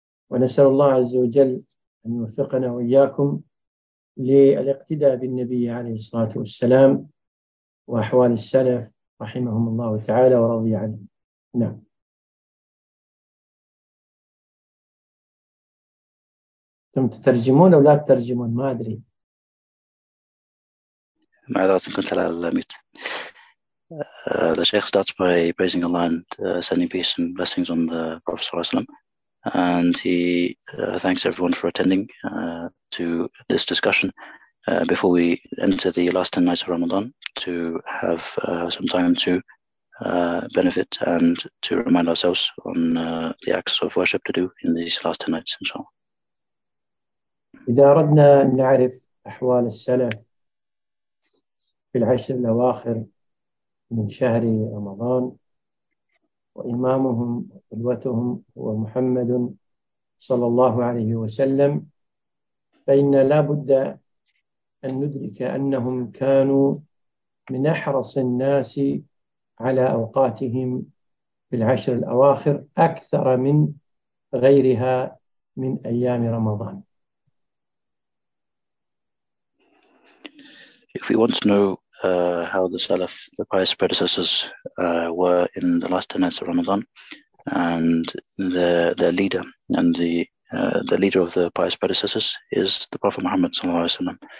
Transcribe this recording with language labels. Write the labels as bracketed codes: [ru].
[ar] ونسأل الله عز وجل أن يوفقنا وإياكم للاقتداء بالنبي عليه الصلاة والسلام وأحوال السلف رحمهم الله تعالى ورضي عنهم. نعم. أنتم تترجمون أو لا تترجمون؟ ما أدري. معذرة كنت على الميت. [en] The Sheikh starts by praising Allah and sending peace and blessings on the Prophet Sallallahu Alaihi Wasallam. And he thanks everyone for attending to this discussion before we enter the last 10 nights of Ramadan to have some time to benefit and to remind ourselves on the acts of worship to do in these last 10 nights, inshallah. [ar] إذا أردنا أن نعرف أحوال السلف في العشر الأواخر من شهر رمضان وإمامهم وقدوتهم هو محمد صلى الله عليه وسلم، فإن لا بد أن ندرك أنهم كانوا من أحرص الناس على أوقاتهم في العشر الأواخر أكثر من غيرها من أيام رمضان. [en] If you want to know how the Salaf, the pious predecessors, were in the last 10 nights of Ramadan, and their leader, and the leader of the pious predecessors is the Prophet Muhammad sallallahu alaihi wasallam.